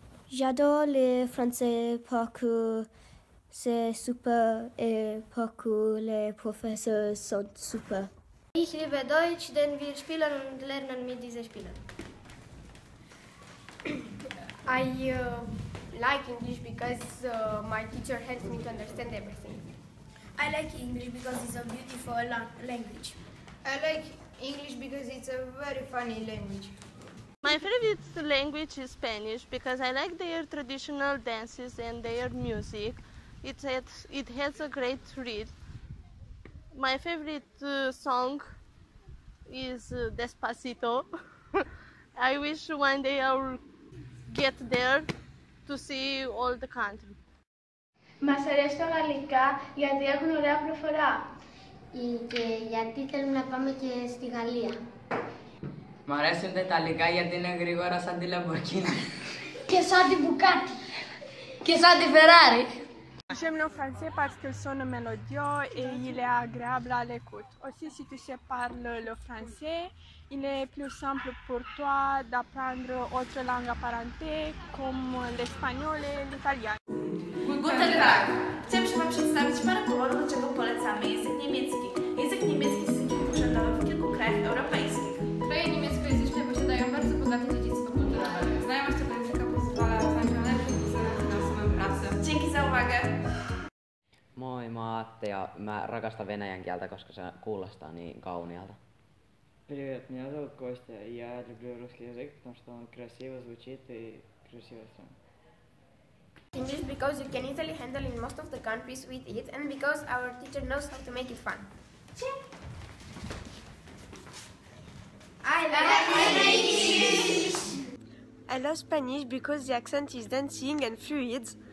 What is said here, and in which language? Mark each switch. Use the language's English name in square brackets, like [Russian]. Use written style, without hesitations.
[French] J'adore le français parce que c'est super et parce que les professeurs sont super. [German] Ich liebe Deutsch, denn wir spielen und lernen mit diesen Spielen. [English] I like English because my teacher helps me to understand everything. I like English because it's a beautiful language. I like English because it's a very funny language. My favorite language is Spanish because I like their traditional dances and their music. It has a great rhythm. My favorite song is Despacito. I wish one day I will get there to see all the country. [Greek] Μας αρέσει το γαλλικά γιατί έχουν ωραία προφορά. Και γιατί θέλουμε να πάμε και στη Γαλλία. Μ' αρέσουν τα ιταλικά γιατί είναι γρήγορα σαν τη Λαμπορκίνα. Και σαν τη Μπουκάτι. Και σαν τη Φεράρι. [French] J'aime le français parce qu'ils sont mélodieux et il est agréable à l'écoute. Aussi, si tu sais parler le français, il est plus simple pour toi d'apprendre autre langue apparentée comme l'espagnol et l'italien. [German] Guten Tag! [Polish] Chciałbym się Wam przedstawić parę powodów, dlaczego polecamy język niemiecki. Język niemiecki jest językiem urzędowym w kilku krajach europejskich. Kraje niemieckojęzyczne posiadają bardzo bogate dziedzictwo kulturowe. Znajomość tego języka pozwala znaleźć lepszy wizerunek na samym pracy. Dzięki za uwagę! [Finnish] Moi, mä oon Atte ja mä rakastan venäjän kieltä, koska se kuulostaa niin kaunialta. [Russian] Привет, меня зовут Костя. Я люблю русский язык, потому что он красиво звучит и красиво сам. [English] English because you can easily handle in most of the countries with it and because our teacher knows how to make it fun. I love English! I love Spanish because the accent is dancing and fluid.